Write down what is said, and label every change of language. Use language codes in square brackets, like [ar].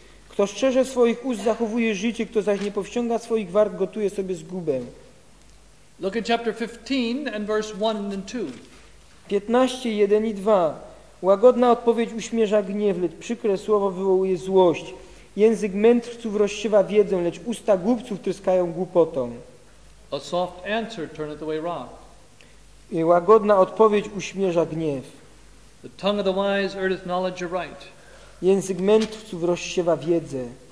[pl] Kto szczerze swoich ust zachowuje życie, kto zaś nie powściąga swoich warg, gotuje sobie zgubę. [en] Look at chapter 15 and verse 1 and 2. [pl] 15:1-2. Łagodna odpowiedź uśmierza gniew, lecz przykre słowo wywołuje złość. Język mędrców rozsiewa wiedzę, lecz usta głupców tryskają głupotą. [en] A soft answer turneth away wrath. [pl] I łagodna odpowiedź uśmierza gniew. [en] The tongue of the wise earneth knowledge aright. [pl] Język mędrców rozsiewa wiedzę.